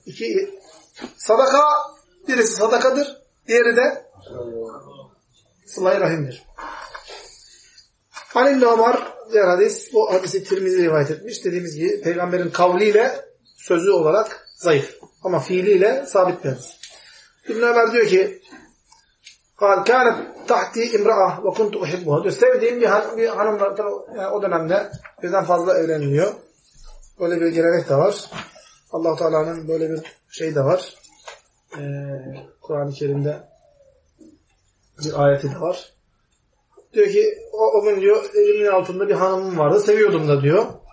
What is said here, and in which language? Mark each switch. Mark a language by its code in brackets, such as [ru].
[tr] İki sadaka, birisi sadakadır, diğeri de sıla-i rahimdir. Halil Ömer diğer hadis, bu hadisi Tirmizi rivayet etmiş. Dediğimiz gibi peygamberin kavliyle sözü olarak zayıf. Ama fiiliyle sabit bir hadis. İbn Ömer diyor ki [ar] قال كانت تحتي امراه وكنت احبها. [tr] Sevdiğim bir hanımla, yani o dönemde birden fazla evleniliyor. Böyle bir gelenek de var. Allah Teala'nın böyle bir şey de var. Kur'an-ı Kerim'de bir ayeti de var. Diyor ki o gün diyor elimin altında bir hanımım vardı. Seviyordum da diyor.